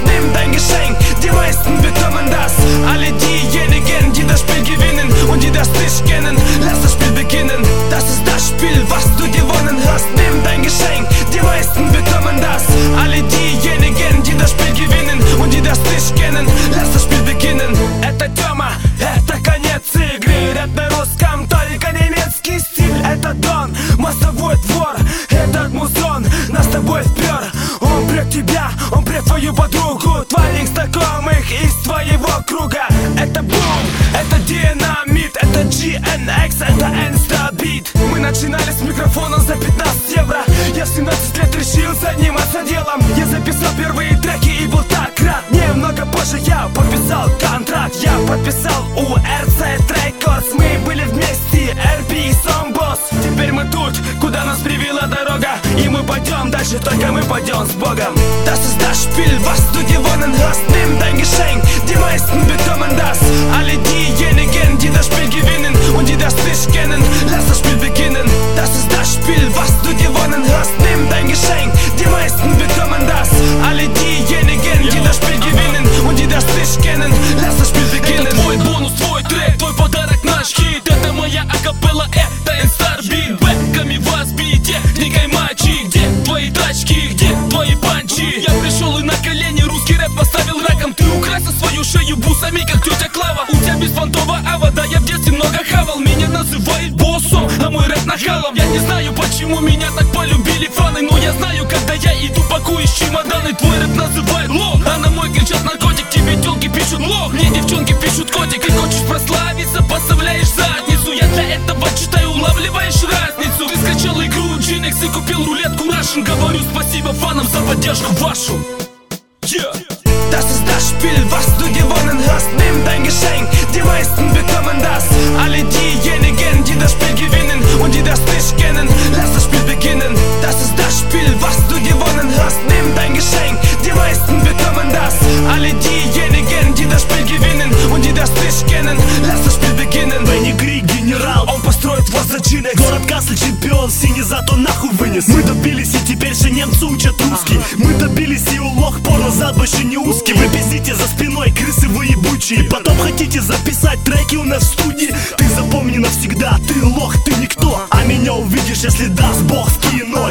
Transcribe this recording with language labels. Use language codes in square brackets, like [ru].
[de] Nimm dein Geschenk, die meisten bekommen das. Alle diejenigen, die das Spiel gewinnen und die das nicht kennen, lass das Spiel beginnen. Das ist das Spiel, was du gewonnen hast. Nimm dein Geschenk, die meisten bekommen das. Alle diejenigen, die das Spiel gewinnen und die das nicht kennen, lass das Spiel beginnen. [ru] Это Тёма, это конец игры. Ряд на русском, только немецкий стиль. Это Дон, мостовой двор. Этот музон нас с тобой впер. Он прет тебя, он прет твою подругу, твоих знакомых из твоего круга. Это бум, это динамит, это GNX, это Instabeat. Мы начинали с микрофона за 15 евро. Я в 17 лет решил заниматься делом. Я записал первые треки и был так рад. Немного позже я подписал контракт. Я подписал у RZ Records. Мы были вместе, RP и Songboss. Теперь мы тут, куда нас привела дорога. И мы пойдем дальше, только мы пойдем с Богом. [de] Das ist das Spiel, was du gewonnen hast. Nimm dein Geschenk, die meisten bekommen das. Alle diejenigen, die das Spiel gewinnen und die das nicht kennen, lass das Spiel beginnen. Das ist das Spiel, was du gewonnen hast. Nimm dein Geschenk, die meisten bekommen das. Alle diejenigen, die das Spiel gewinnen und die das nicht kennen, lass das Spiel beginnen. [ru] Это твой Бонус, твой Трек, твой Подарок, наш Хит. Это моя Акапелла, это Instarbeat. Бэками вас бить, техникой матчи. Где твои тачки, где твои панчи? Я пришел и на колени русский рэп поставил раком. Ты украсил свою шею бусами, как тетя Клава. У тебя беспонтова ава, да я в детстве много хавал. Меня называют боссом, а мой рэп нахалом. Я не знаю, почему меня так полюбили фаны. Но я знаю, когда я иду, пакую с чемоданы. Твой рэп называют лох, а на мой кричат наркотик. Тебе тёлки пишут лох, мне девчонки пишут котик. Ты хочешь прославиться, подставляешь задницу. Я для этого читаю, улавливаешь разницу. Ты скачал игру GNX и купил рулетку Russian. Говорю спасибо фанам за поддержку вашу. [de] Das ist das Spiel, was du gewonnen hast. Nimm dein Geschenk, die meisten bekommen das. Alle diejenigen, die das Spiel gewinnen und die das nicht kennen, lass das Spiel beginnen. Das ist das Spiel, was du gewonnen hast. Nimm dein Geschenk, die meisten bekommen das. Alle diejenigen, die das Spiel gewinnen und die das nicht kennen, lass das Spiel beginnen. [ru] Benny Grieg, General, он построит вас за GNX. Город Касл, чемпион, синий зато нахуй вынес. Мы добились, и теперь же немцы учат русский. Мы добились, и у лох порно зад больше не узкий. Вы пиздите за спиной, крысы вы ебучие. Потом хотите записать треки у нас в студии. Ты запомни навсегда, ты лох, ты никто. А меня увидишь, если даст бог в кино.